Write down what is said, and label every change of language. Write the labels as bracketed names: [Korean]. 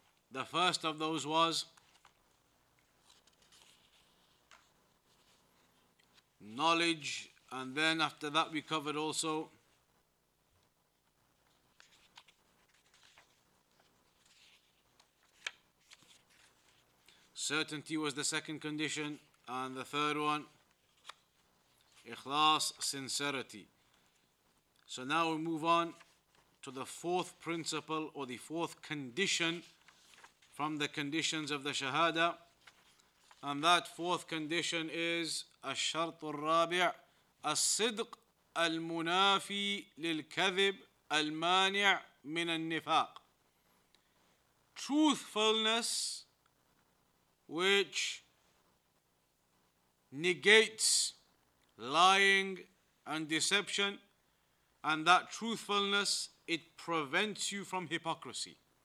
[English] The first of those was knowledge, and then after that we covered also certainty was the second condition, and the third one Ikhlas, sincerity. So now we move on to the fourth principle or the fourth condition from the conditions of the Shahada. And that fourth condition is [Arabic] الشرط الرابع الصدق المنافي للكذب المانع من النفاق. [English] Truthfulness, which negates lying and deception, and that truthfulness, it prevents you from hypocrisy.